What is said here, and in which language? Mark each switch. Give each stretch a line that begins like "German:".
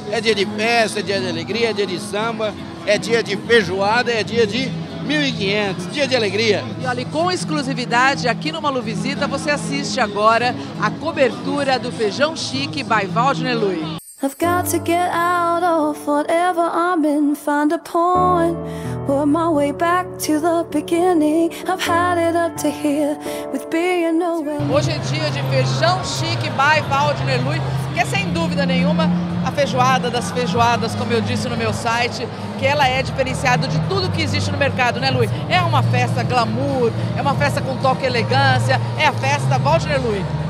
Portuguese: É dia de festa, é dia de alegria, é dia de samba, é dia de feijoada, é dia de 1500, dia de alegria. E olha, com exclusividade, aqui no Malu Visita, você assiste agora a cobertura do Feijão Chique, by Waldner Lui.
English: I've got to get out of whatever I'm in, find a point, work my way back to the beginning, I've had it up to here, with being nowhere.
Portuguese: Hoje é dia de Feijão Chique, by Waldner Lui, que é sem dúvida nenhuma a feijoada das feijoadas, como eu disse no meu site, que ela é diferenciada de tudo que existe no mercado, né, Lui? É uma festa glamour, é uma festa com toque e elegância, é a festa Waldner Lui.